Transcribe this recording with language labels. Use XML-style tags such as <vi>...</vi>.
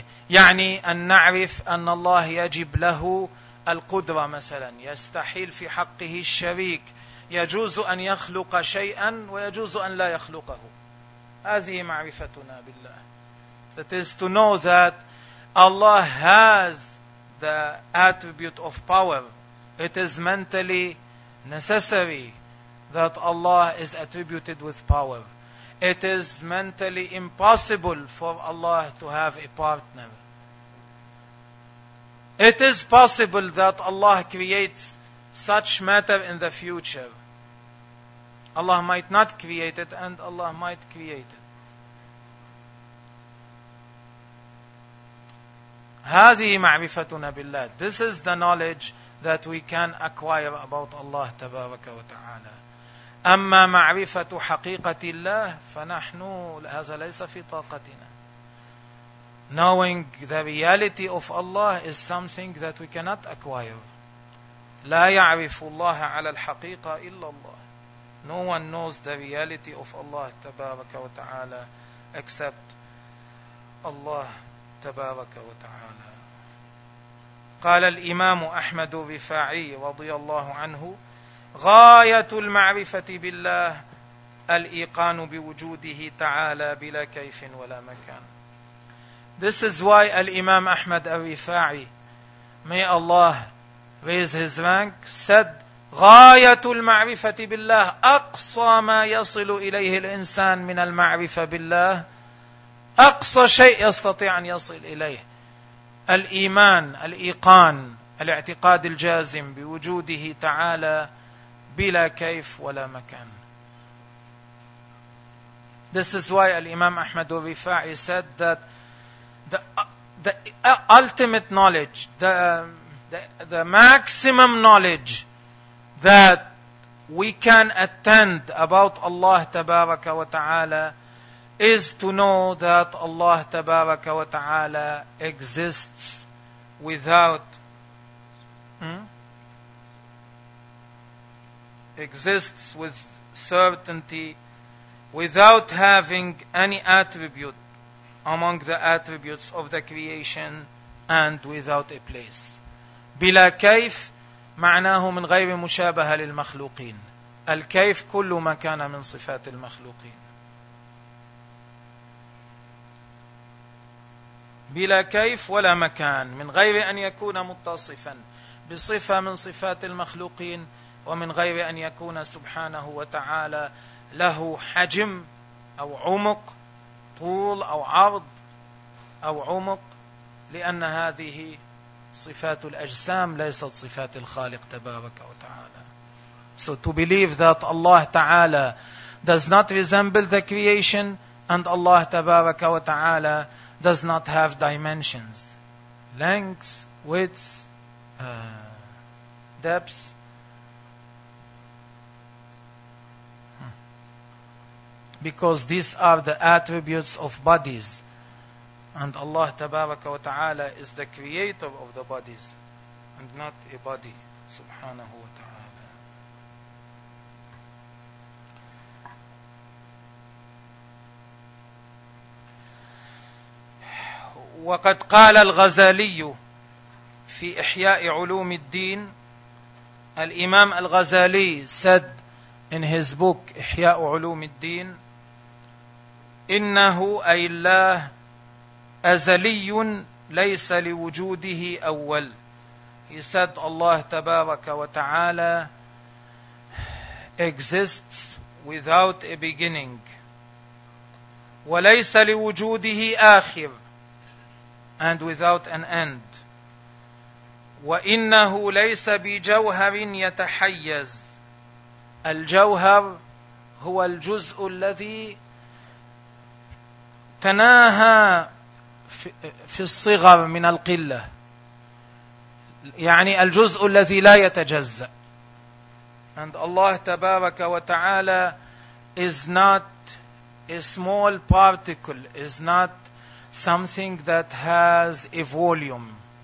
<ar>يعني أن نعرف أن الله يجب له القدرة مثلا, يستحيل في حقه الشريك, يجوز أن يخلق شيئا ويجوز أن لا يخلقه. هذه معرفتنا بالله.</ar> <en>That is to know that Allah has the attribute of power. It is mentally necessary that Allah is attributed with power. It is mentally impossible for Allah to have a partner. It is possible that Allah creates such matter in the future. Allah might not create it and Allah might create it.</en> <ar>هذه معرفتنا بالله.</ar> <en>This is the knowledge that we can acquire about Allah تبارك وتعالى.</en> <ar>أما معرفة حقيقة الله فنحن هذا ليس في طاقتنا.</ar> <en>Knowing the reality of Allah is something that we cannot acquire.</en> <ar>لا يعرف الله على الحقيقة إلا الله.</ar> <en>No one knows the reality of Allah تبارك وتعالى except Allah تبارك وتعالى.</en> <ar>قال الإمام أحمد الرفاعي رضي الله عنه غاية المعرفة بالله الإيقان بوجوده تعالى بلا كيف ولا مكان.</ar> <en>This is why Al-Imam Ahmad Al-Rifa'i, may Allah raise his rank, said</en> <ar>غاية المعرفة بالله أقصى ما يصل إليه الإنسان من المعرفة بالله, أقصى شيء يستطيع أن يصل إليه الإيمان, الإيقان, الاعتقاد الجازم بوجوده تعالى بلا كيف ولا مكان.</ar> <en>This is why Al-Imam Ahmad al-Rifa'i said that the ultimate knowledge, the maximum knowledge that we can attend about Allah Tabaraka wa Ta'ala is to know that Allah Tabaraka wa Ta'ala exists without exists with certainty, without having any attribute among the attributes of the creation and without a place.</en> <ar>بلا كيف معناه من غير مشابهة للمخلوقين. الكيف كل ما كان من صفات المخلوقين. بلا كيف ولا مكان من غير أن يكون متصفا بصفة من صفات المخلوقين ومن غير أن يكون سبحانه وتعالى له حجم أو عمق طول أو عرض أو عمق لأن هذه صفات الأجسام ليست صفات الخالق تبارك وتعالى.</ar> <en>So to believe that Allah Ta'ala does not resemble the creation and Allah تبارك وتعالى does not have dimensions, lengths, widths, depths. Because these are the attributes of bodies. And Allah Tabaraka wa Ta'ala is the creator of the bodies and not a body, subhanahu wa ta'ala.</en> <ar>وقد قال الغزالي في إحياء علوم الدين, الإمام الغزالي</ar> <en>said in his book</en> <ar>إحياء علوم الدين, إنه أي الله أزلي ليس لوجوده أول.</ar> <en>He said Allah تبارك وتعالى exists without a beginning</en> <ar>وليس لوجوده آخر</ar> <en>and without an end.</en> <ar>وإنه ليس بجوهر يتحيز. الجوهر هو الجزء الذي تناهى في الصغر من القلة, يعني الجزء الذي لا يتجزأ.</ar> <en>And Allah تبارك وتعالى is not a small particle, is not something that has a volume.</en>